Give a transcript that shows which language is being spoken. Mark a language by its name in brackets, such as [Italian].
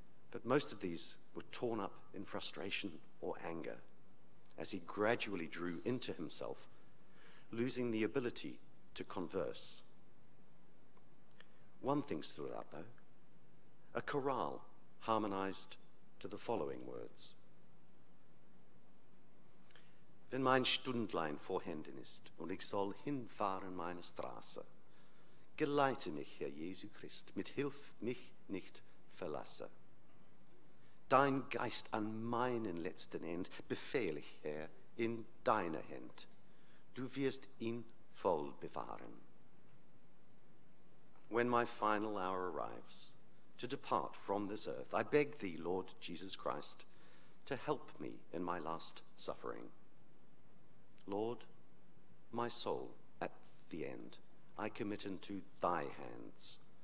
[English] But most of these were torn up in frustration or anger, as he gradually drew into himself, losing the ability to converse. One thing stood out, though, a chorale harmonized to the following words. [German] Wenn mein Stundlein vorhanden ist und ich soll hinfahren meine Straße, geleite mich, Herr Jesu Christ, mit Hilf mich nicht verlasse. Dein Geist an meinen letzten End befehle ich, Herr, in deiner Hand. Du wirst ihn voll bewahren. [English] When my final hour arrives, to depart from this earth, I beg thee, Lord Jesus Christ, to help me in my last suffering. Lord, my soul at the end, I commit into thy hands.